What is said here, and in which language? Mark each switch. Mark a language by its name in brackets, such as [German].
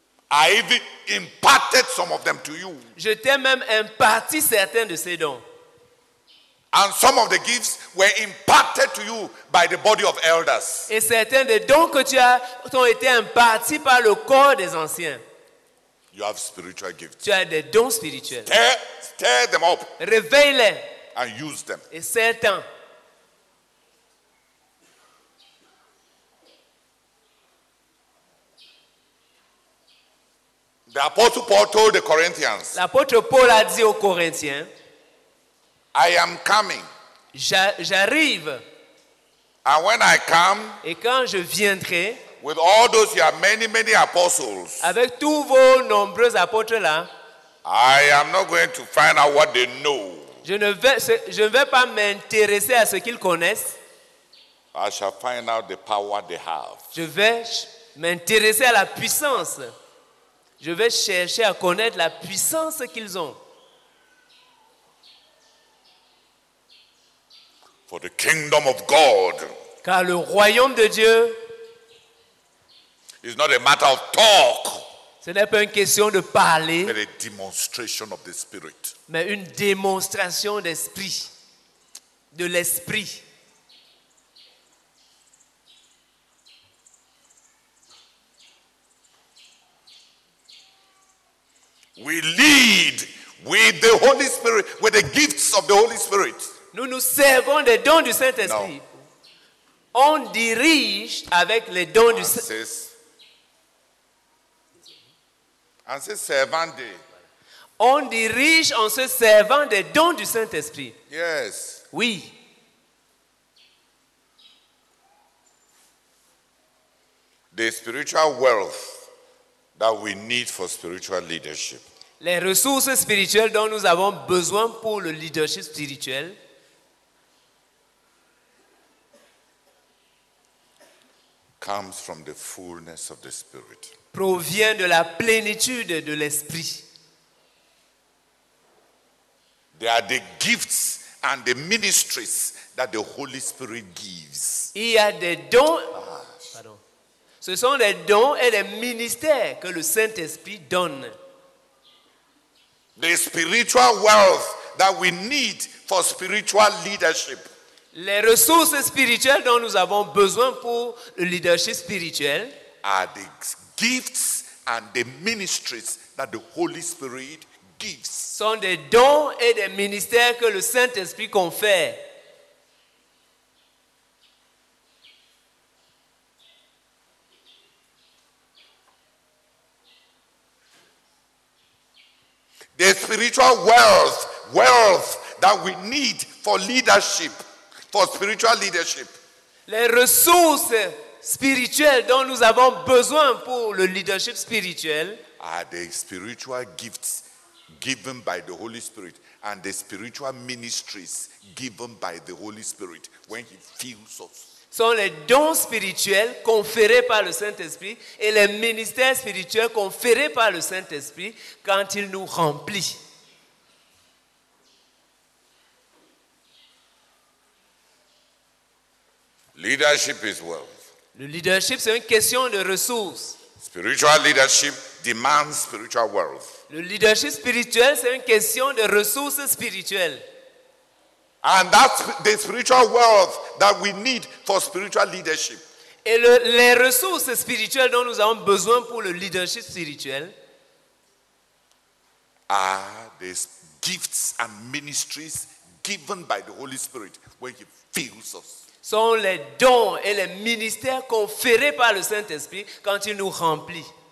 [English] I even imparted some of them to you. [French] Je t'ai même imparti certains de ces dons. [English] And some of the gifts were imparted to you by the body of elders. [French] Et certains des dons que tu as ont été impartis par le corps des anciens. [English] You have spiritual gifts. [French] Tu as des dons spirituels. [English] Stir them up. [French] Réveille-les. [English] And use them. [French] Et certains. [English] The apostle Paul told the Corinthians. [French] L'apôtre Paul a dit aux Corinthiens. [English] I am coming. [French] J'arrive. [English] And when I come. [French] Et quand je viendrai. [English] With all those your many many apostles. [French] Avec tous vos nombreux apôtres là. [English] I am not going to find out what they know. [French] Je ne vais pas m'intéresser à ce qu'ils connaissent. [English] I shall find out the power they have. [French] Je vais m'intéresser à la puissance. Je vais chercher à connaître la puissance qu'ils ont. [English] For the kingdom of God. [French] Car le royaume de Dieu. [English] It's not a matter of talk. [French] Ce n'est pas une question de parler. [English] But a demonstration of the spirit. [French] Mais une démonstration d'esprit. De l'esprit. [English] We lead with the Holy Spirit, with the gifts of the Holy Spirit. [French] Nous nous servons des dons du Saint-Esprit. [English] No. [French] On dirige avec les dons du Saint-Esprit. en se servant de. On dirige en se servant des dons du Saint-Esprit. [English] Yes. [French] Oui. [English] The spiritual wealth that we need for spiritual leadership. [French] Les ressources spirituelles dont nous avons besoin pour le leadership spirituel. [English] Comes from the fullness of the Spirit. [French] Provient de la plénitude de l'Esprit. [English] They are the gifts and the ministries that the Holy Spirit gives. [French] Il y a des dons. Pardon. Ce sont les dons et les ministères que le Saint-Esprit donne. [English] The spiritual wealth that we need for spiritual leadership. [French] Les ressources spirituelles dont nous avons besoin pour le leadership spirituel [English] are the gifts and the ministries that the Holy Spirit gives. [French] Sont des dons et des ministères que le Saint-Esprit confère. [English] The spiritual wealth that we need for leadership. For spiritual leadership. [French] Les ressources spirituelles dont nous avons besoin pour le leadership spirituel [English] are the spiritual gifts given by the Holy Spirit and the spiritual ministries given by the Holy Spirit when He fills us. [French] Sont les dons spirituels conférés par le Saint-Esprit et les ministères spirituels conférés par le Saint-Esprit quand il nous remplit. [English] Leadership is wealth. [French] Le leadership, c'est une question de ressources. [English] Spiritual leadership demands spiritual wealth. [French] Le leadership spirituel, c'est une question de ressources spirituelles. [English] And that's the spiritual wealth that we need for spiritual leadership. [French] Et les ressources spirituelles dont nous avons besoin pour le leadership spirituel [English] are the gifts and ministries given by the Holy Spirit when He fills us. [French] Sont les dons et les ministères conférés par le Saint-Esprit quand il nous remplit.